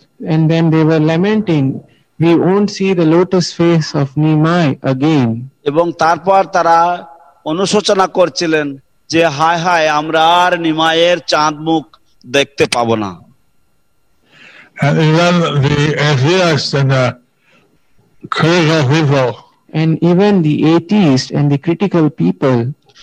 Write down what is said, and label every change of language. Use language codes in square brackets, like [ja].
[en] And then they were lamenting, we won't see the lotus face of Nimai again. [bn] এবং তারপর তারা অনুশোচনা করছিলেন যে হায় হায় আমরা আর নিমায়ের চাঁদ মুখ দেখতে পাবো না. [en] And even the atheists and the critical people. And even the atheists and the critical people.